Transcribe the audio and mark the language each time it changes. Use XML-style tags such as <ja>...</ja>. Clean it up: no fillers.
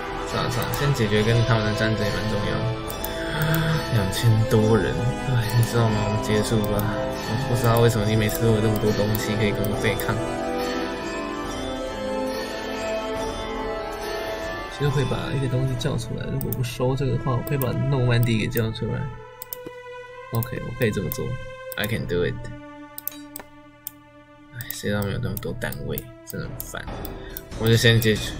<zh>算了算了，先解决跟他们的战争也蛮重要。2000多人，哎，你知道吗？我们结束吧。我不知道为什么你每次都有这么多东西可以跟我对抗。就会把一个东西叫出来。如果不收这个的话，我会把诺曼底给叫出来。</zh> <en>OK，</en> <zh>我可以这么做</zh> <en>，I can do it。</en> <zh>哎，谁让没有那么多单位，真的很烦。我就先接。</zh>